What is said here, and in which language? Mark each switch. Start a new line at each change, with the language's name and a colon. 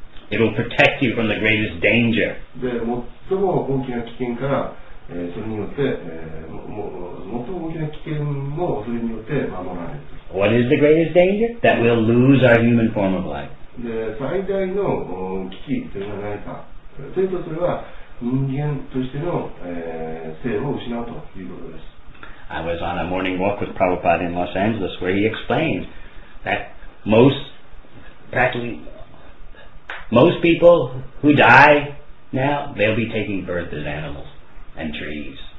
English: It will protect you from the greatest danger.
Japanese: で、最も大きな危険から、それによって、最も大きな危険もそれによって守られる。
English: What is the greatest danger? That we'll lose our human form of life.
Japanese: で、最大の危機というのは何か。それとそれは人間としての、性を失うということです。
English: I was on a morning walk with Prabhupada in Los Angeles where he explained that most people who die now, they'll be taking birth as animals and trees.